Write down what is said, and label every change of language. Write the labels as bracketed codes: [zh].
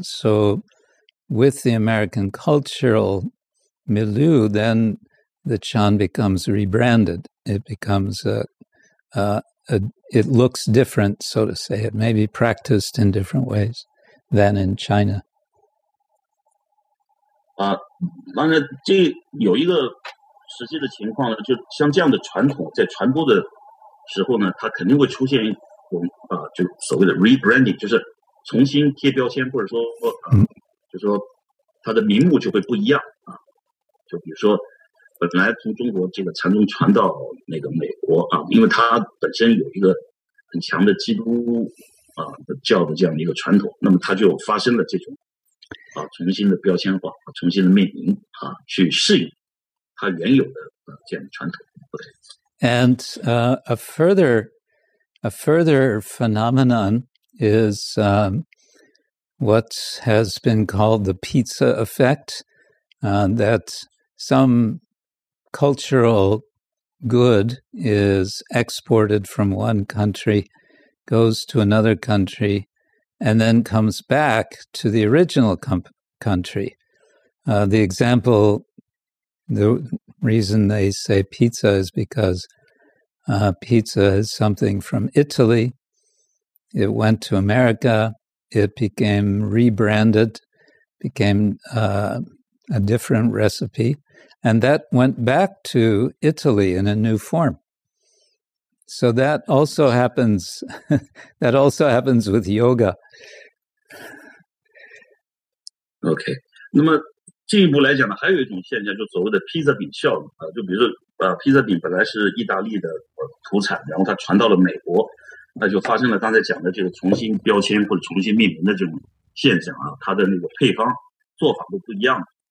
[en] So with the American cultural milieu, then the Chan becomes rebranded. It becomes, it looks different, so to say. It may be practiced in different ways than in China. [zh] 完了，这有一个实际的情况呢，就像这样的传统在传播的时候呢，它肯定会出现一种就所谓的 rebranding， 就是重新贴标签，或者说就说它的名目就会不一样啊。就比如说本来从中国这个禅宗传到那个美国啊，因为它本身有一个很强的基督教的这样的一个传统，那么它就发生了这种重新的标签化，重新的命名啊，去适应它原有的这样的传统。 [en] And a further phenomenon is what has been called the pizza effect, that some cultural good is exported from one country, goes to another country, and then comes back to the original country. The example, the reason they say pizza is becausepizza is something from Italy. It went to America. It became rebranded, became a different recipe. And that went back to Italy in a new form. So that also happens, that also happens with yoga. Okay. [zh] 那么进一步来讲呢，还有一种现象，就所谓的披萨饼效应啊，就比如说披萨饼本来是意大利的土产，然后它传到了美国，那就发生了刚才讲的这个重新标签或者重新命名的这种现象啊，它的那个配方做法都不一样。